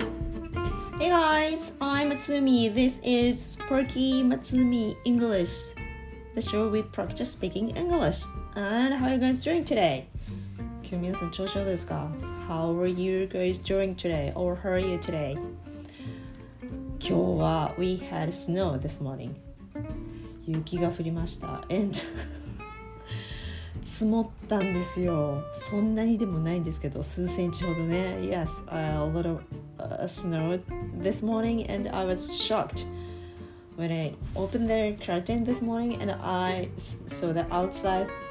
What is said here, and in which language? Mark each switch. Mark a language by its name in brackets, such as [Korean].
[English] Matsumi, this is Porky Matsumi English, the show where we practice speaking English. And how are you guys doing today? [Japanese] 今日皆さん調子はどうですか? [English] How are you guys doing today? Or how are you today? [Japanese] 今日は [English] we had snow this morning. [Japanese] 雪が降りました。And 積もったんですよ。そんなにでもないんですけど、数センチほどね。 [English] Yes, a little snow this morning and I was shocked when I opened the curtain this morning and I saw the outside.